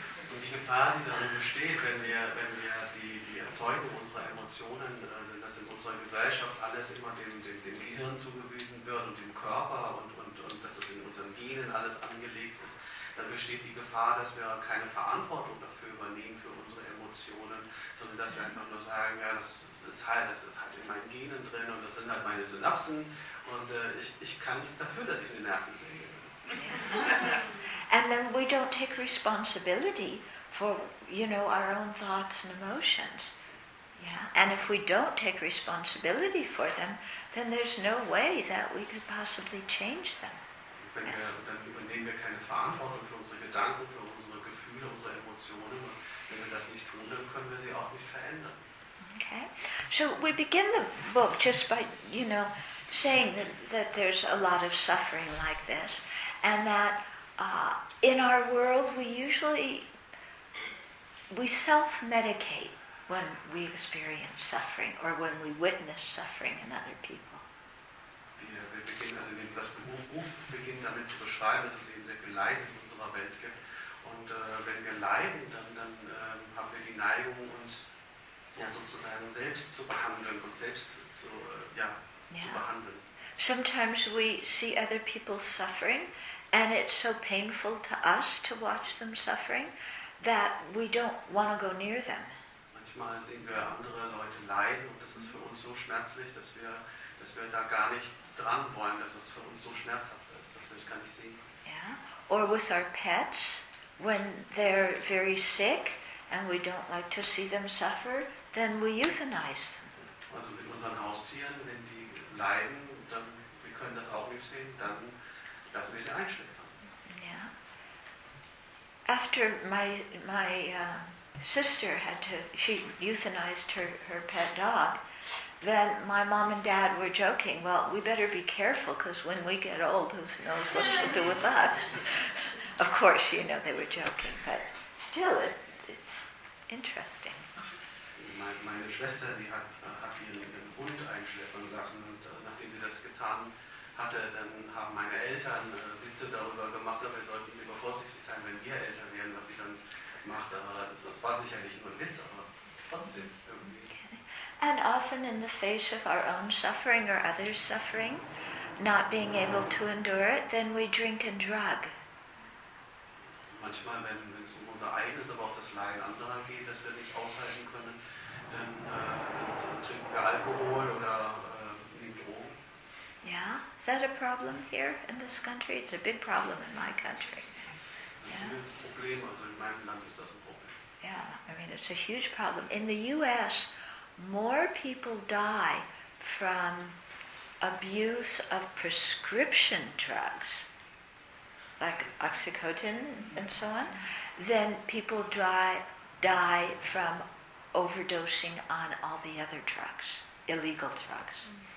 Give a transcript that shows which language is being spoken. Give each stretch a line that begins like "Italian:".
German: Und die Gefahr, die darin besteht, wenn wir die Erzeugung unserer Emotionen, dass in unserer Gesellschaft alles immer dem Gehirn zugewiesen wird und dem Körper und dass das in unseren Genen alles angelegt ist, dann besteht die Gefahr, dass wir keine Verantwortung dafür übernehmen für unsere Emotionen, sondern dass wir einfach nur sagen, ja, das ist halt in meinen Genen drin und das sind halt meine Synapsen und ich kann nichts dafür, dass ich eine Nervensäge habe.
English: And then we don't take responsibility for, you know, our own thoughts and emotions. Yeah. And if we don't take responsibility for them, then there's no way that we could possibly change them.
German: Dann übernehmen wir keine Verantwortung für unsere Gedanken, für unsere Gefühle, unsere Emotionen. Und wenn wir das nicht tun, dann können wir sie auch nicht verändern.
English: Okay. So we begin the book just by, you know, saying that there's a lot of suffering like this, and that in our world we usually self-medicate when we experience suffering or when we witness suffering in other people.
German: Wir beginnen also mit das Buch beginnt damit zu beschreiben, dass es eben sehr viel Leid in unserer Welt gibt. Und wenn wir leiden, dann haben wir die Neigung, uns ja sozusagen selbst zu behandeln und selbst zu behandeln.
English: Sometimes we see other people suffering and it's so painful to us to watch them suffering that we don't want to go near them.
German: Manchmal sehen wir andere Leute leiden und das ist für uns so schmerzlich, dass wir da gar nicht dran wollen, dass es für uns so schmerzhaft ist, dass wir es gar nicht sehen.
English: Yeah. Or with our pets, when they're very sick and we don't like to see them suffer, then we euthanize them.
German: Also mit unseren Haustieren, wenn die leiden, dann wir können das auch nicht sehen, dann lassen wir sie einschläfern.
English: Yeah. After my sister she euthanized her pet dog, then my mom and dad were joking, well, we better be careful because when we get old, who knows what she'll do with us. Of course, you know, they were joking, but still, it's interesting.
German: Meine Schwester, die hat ihren Hund einschleppern lassen. Und nachdem sie das getan hatte, dann haben meine Eltern Witze darüber gemacht, aber wir sollten lieber vorsichtig sein, wenn wir älter werden, was ich dann mache. Aber das war sicherlich nur ein Witz, aber trotzdem irgendwie.
English: And often in the face of our own suffering or others' suffering, not being able to endure it, then we drink and drug.
German: Manchmal, wenn es um unser eigenes, aber auch das Leiden anderer geht, das wir nicht aushalten können, dann trinken wir Alkohol oder nehmen Drogen.
English: Yeah, is that a problem here in this country? It's a big problem in my country.
German: Das ist ein Problem, also in meinem Land ist das ein Problem.
English: Yeah, I mean, it's a huge problem. In the U.S., more people die from abuse of prescription drugs, like oxycodone and so on, than people die from overdosing on all the other drugs, illegal drugs.